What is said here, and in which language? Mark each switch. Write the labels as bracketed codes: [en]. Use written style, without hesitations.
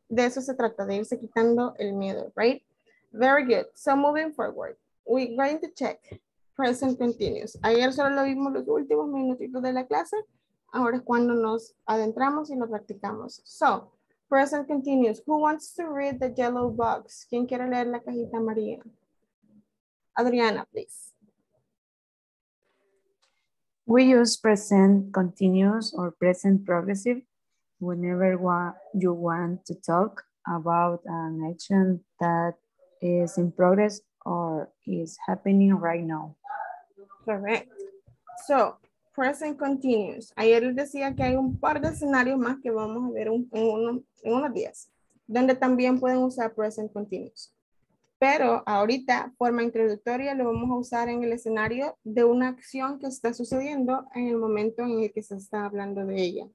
[es] De eso se trata, de irse quitando el miedo, [en] right? Very good. So moving forward, we're going to check present continuous. [es] Ayer solo lo vimos los últimos minutitos de la clase. Ahora es cuando nos adentramos y lo practicamos. [en] So, present continuous. Who wants to read the yellow box? [es] ¿Quién quiere leer la cajita amarilla? Adriana, [en] please. We use present continuous or present progressive whenever you want to talk about an action that is in progress or is happening right now. Correct. So, present continuous. [es] Ayer les decía que hay un par de escenarios más que vamos a ver en unos días, donde también pueden usar present continuous. Pero ahorita, forma introductoria, lo vamos a usar en el escenario de una acción que está sucediendo en el momento en el que se está hablando de ella.